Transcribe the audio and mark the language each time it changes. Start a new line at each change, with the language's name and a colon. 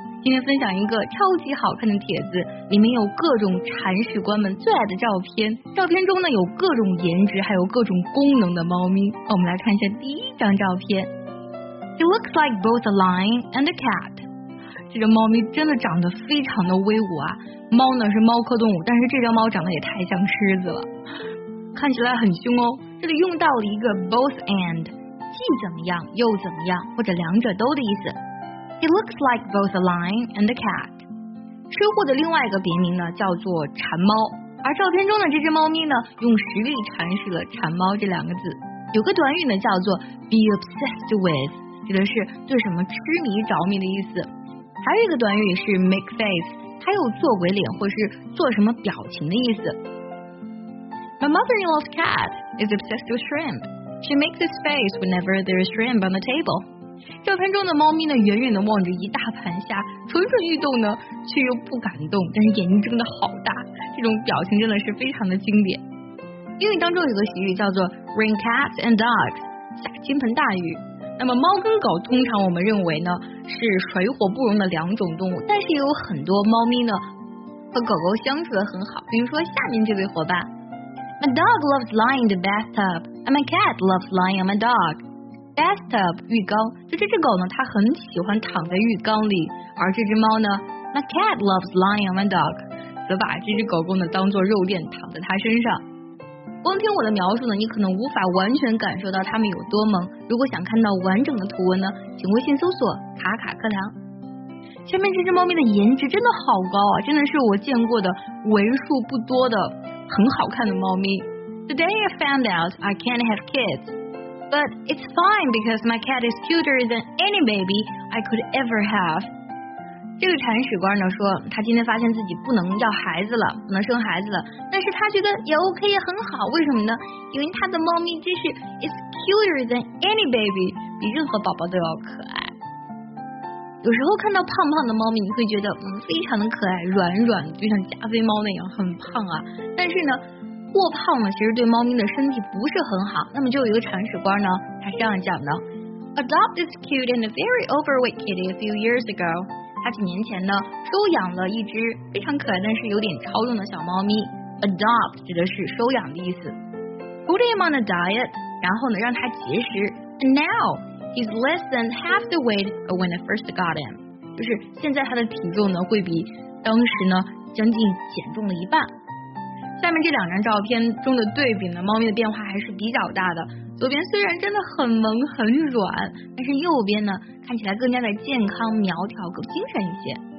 Chinese: 今天分享一个超级好看的帖子，里面有各种铲屎官们最爱的照片，照片中呢有各种颜值，还有各种功能的猫咪。我们来看一下第一张照片。
English: It looks like both a lion and a cat。
Chinese: 这只猫咪真的长得非常的威武啊！猫呢是猫科动物，但是这只猫长得也太像狮子了，看起来很凶哦。这里用到了一个
English: both and。
Chinese: 既怎么样又怎么样，或者两者都的意思。 It looks like both a lion and a cat。吃货的另外一个别名呢叫做馋猫，而照片中的这只猫咪呢用实力铲屎了馋猫这两个字。有个短语呢叫做
English: be obsessed with，
Chinese: 指的是对什么痴迷着迷的意思。还有一个短语是
English: make face，
Chinese: 它有做鬼脸或是做什么表情的意思。
English: My mother-in-law's cat is obsessed with shrimp. She makes his face whenever there is shrimp on the table.
Chinese: 照片中的猫咪呢，远远地望着一大盘虾，蠢蠢欲动呢，却又不敢动，但是眼睛睁得好大，这种表情真的是非常的经典。英语当中有个习语叫做
English: rain cats and dogs，
Chinese: 下倾盆大雨。那么猫跟狗通常我们认为呢是水火不容的两种动物，但是也有很多猫咪呢和狗狗相处得很好，比如说下面这位伙伴。
English: My dog loves lying in the bathtub, and my cat loves lying on my dog.
Chinese: Bathtub, 浴缸，就这只狗呢，它很喜欢躺在浴缸里，而这只猫呢 ，
English: My cat loves lying on my dog，
Chinese: 则把这只狗狗呢当做肉垫躺在它身上。光听我的描述呢，你可能无法完全感受到它们有多萌。如果想看到完整的图文呢，请微信搜索卡卡课堂。下面这只猫咪的颜值真的好高啊，真的是我见过的为数不多的很好看的猫咪。
English: Today I found out I can't have kids, but it's fine because my cat is cuter than any baby I could ever have.
Chinese: 这个铲屎官呢说他今天发现自己不能要孩子了，不能生孩子了，但是他觉得也 OK， 也很好。为什么呢？因为他的猫咪真是
English: is cuter than any baby，
Chinese: 比任何宝宝都要可爱。有时候看到胖胖的猫咪，你会觉得非常的可爱，软软的，就像加菲猫那样很胖啊。但是呢，过胖了其实对猫咪的身体不是很好。那么就有一个铲屎官呢，他这样讲的
English: ：Adopt this cute and very overweight kitty a few years ago。
Chinese: 他几年前呢，收养了一只非常可爱但是有点超重的小猫咪。 Adopt 指的是收养的意思。
English: Put him on a diet，
Chinese: 然后呢让他节食。
English: And now。 He's less than half the weight of when I first got him.
Chinese: 就是现在他的体重呢会比当时呢将近减重了一半。下面这两张照片中的对比呢，猫咪的变化还是比较大的。左边虽然真的很萌很软，但是右边呢看起来更加的健康苗条更精神一些。